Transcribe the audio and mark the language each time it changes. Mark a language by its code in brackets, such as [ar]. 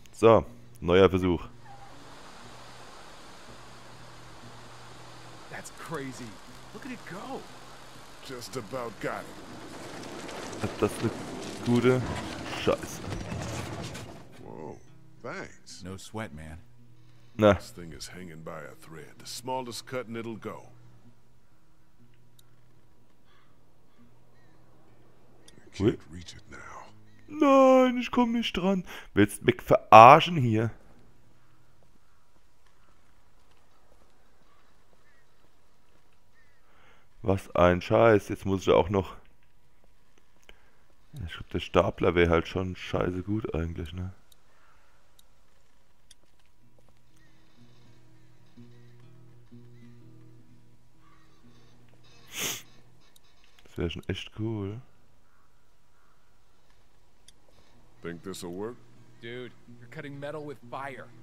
[de] So, neuer Versuch. [en] That's crazy. Look at it go. Just about got it. [de] Ist das eine gute Scheiße? [en] Whoa, thanks. No sweat, man. [de] Na. [en] This thing is hanging by a thread. The smallest cut and it'll go. I can't reach it now. [de] Nein, ich komme nicht dran. Willst mich verarschen hier? Was ein Scheiß. Jetzt muss ich auch noch. Ich glaube, der Stapler wäre halt schon scheiße gut eigentlich, ne? Das wäre schon echt cool. [en] Think this will work? Dude, you're cutting metal with fire.